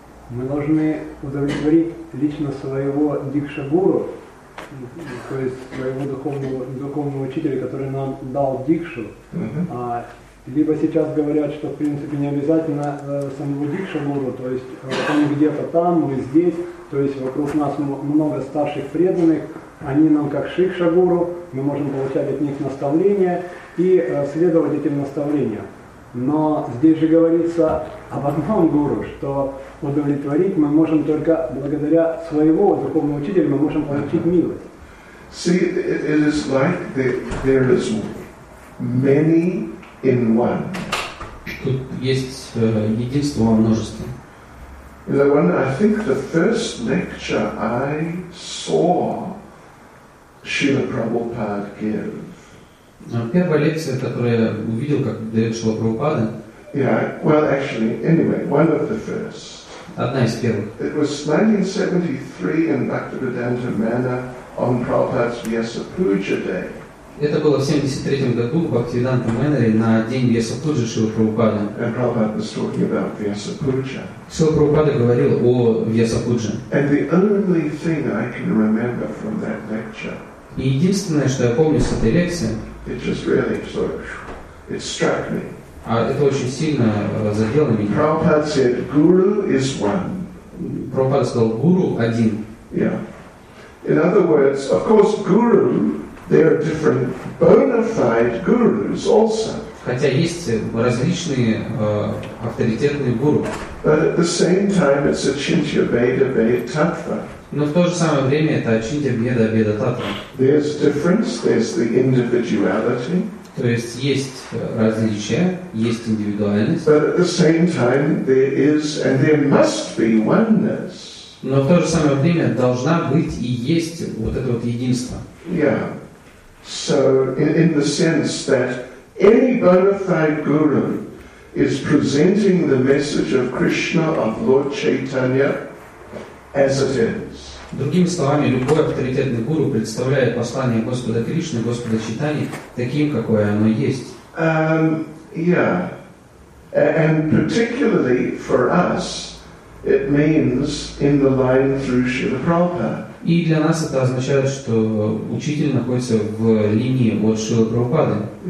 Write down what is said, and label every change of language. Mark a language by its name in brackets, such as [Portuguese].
[Russian] Мы должны удовлетворить лично своего дикшагуру, то есть своего духовного учителя, который нам дал дикшу, либо сейчас говорят, что в принципе не обязательно самого дикшагуру, то есть он где-то там, мы здесь, то есть вокруг нас много старших преданных, они нам как шикшагуру, мы можем получать от них наставления и следовать этим наставлениям. Но здесь же говорится об одном гуру, что удовлетворить мы можем только благодаря своего духовного учителя, мы можем получить милость. [English] See, it is like there is many in one. [Russian] Тут есть единство во множестве. [English] I think the first lecture I saw Srila Prabhupada give. [Russian] Первая лекция, которую я увидел, как дает Шрила Прабхупада. [English] Yeah, well, actually, anyway, one of the first. [Russian] Одна из первых. [English] It was 1973 in Bhaktivedanta Manor on Prabhupada's Vyasa Puja Day. [Russian] Это было в 73 году в Бхактивиданта Мэннере на день Вьяса Пуджи Шрила Прабхупада. [English] And Prabhupada was talking about Vyasa Puja. [Russian] Шрила Прабхупада говорил о Вьяса Пуджи. [English] And the only thing I can remember from that lecture. [Russian] И единственное, что я помню с этой лекции. [English] It just really sort of, it struck me. [Russian] А это очень сильно задело меня. [English] Prabhupada said, "Guru is one." [Russian] Prabhupada сказал, гуру один. [English] Yeah. In other words, of course, guru, there are different bona fide gurus also. [Russian] Хотя есть различные авторитетные гуру. [English] But at the same time, it's Ачинтья Веда Веда Таттва. [Russian] Но в то же самое время это Ачинтья Веда Веда Таттва. [English] There's difference, there's the individuality. [Russian] То есть есть различия, есть индивидуальность. [English] But at the same time, there is and there must be oneness. [Russian] Но в то же самое время должна быть и есть вот это вот единство. [English] Yeah. So in the sense that any bona fide guru is presenting the message of Krishna, of Lord Chaitanya, as it is. [Russian] Другими словами, любой авторитетный гуру представляет послание Господа Кришны, Господа Чайтаньи, таким, какое оно есть. [English] And particularly for us, it means in the line through Srila Prabhupada. [Russian] И для нас это означает, что учитель находится в линии от Шрилы Прабхупады.